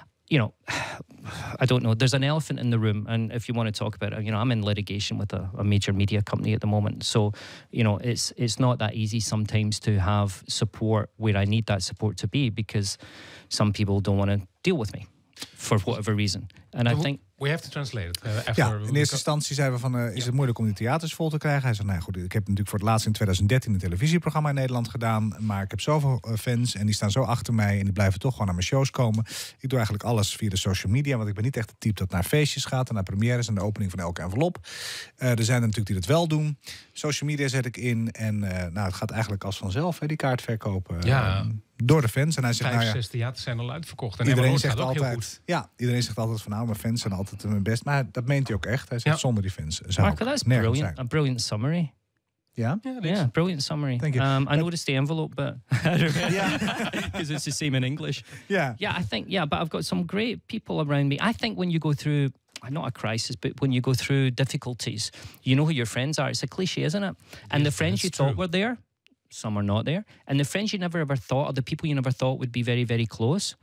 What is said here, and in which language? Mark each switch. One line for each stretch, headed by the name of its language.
English: You know, I don't know. There's an elephant in the room. And if you want to talk about it, you know, I'm in litigation with a major media company at the moment. So, you know, it's not that easy sometimes to have support where I need that support to be, because some people don't want to deal with me for whatever reason. And I think... We have to translate it.
Dutch: Ja, in eerste instantie zeiden we van, is het moeilijk om die theaters vol te krijgen? Hij zegt, nou ja, goed, ik heb natuurlijk voor het laatst in 2013 een televisieprogramma in Nederland gedaan, maar ik heb zoveel fans en die staan zo achter mij en die blijven toch gewoon naar mijn shows komen. Ik doe eigenlijk alles via de social media, want ik ben niet echt het type dat naar feestjes gaat en naar premières en de opening van elke envelop. Er zijn er natuurlijk die dat wel doen. Social media zet ik in en het gaat eigenlijk als vanzelf, hè, die kaart verkopen. Ja. Door de fans. En hij zegt, 5-6 theaters zijn al uitverkocht. Iedereen zegt altijd van, nou, mijn fans zijn altijd mijn best. Maar dat meent hij ook echt. Hij zegt, zonder die fans zou ik nergens zijn.
English: Marco, that's a brilliant summary. Yeah, brilliant summary. Thank you. I noticed the envelope, but I don't know. Because it's the same in English. Yeah. Yeah, I think, yeah, but I've got some great people around me. I think when you go through, not a crisis, but when you go through difficulties, you know who your friends are. It's a cliche, isn't it? And the friends you thought were there, some are not there. And the friends you never ever thought, or the people you never thought would be very, very close,